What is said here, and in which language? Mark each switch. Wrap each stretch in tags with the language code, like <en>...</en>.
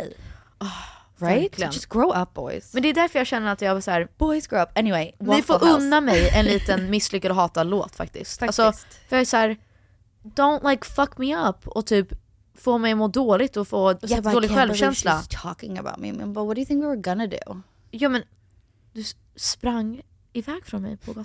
<en>Okay. Right?</en> <sv>Verkligen.</sv> <en>Just grow up, boys.</en> <sv>Men det är därför jag känner att jag var så här,</sv> <en>boys grow up. Anyway,</en> <sv>ni får unna mig en liten misslyckad och hatad låt faktiskt. Alltså, för jag är så här,</sv> <en>don't like fuck me up</en> <sv>och typ få mig må dåligt och få dålig självkänsla.</sv> <en>She's talking about me, but what do you think we were gonna do?</en> <sv>Ja, men du sprang iväg från mig på gatan.</sv>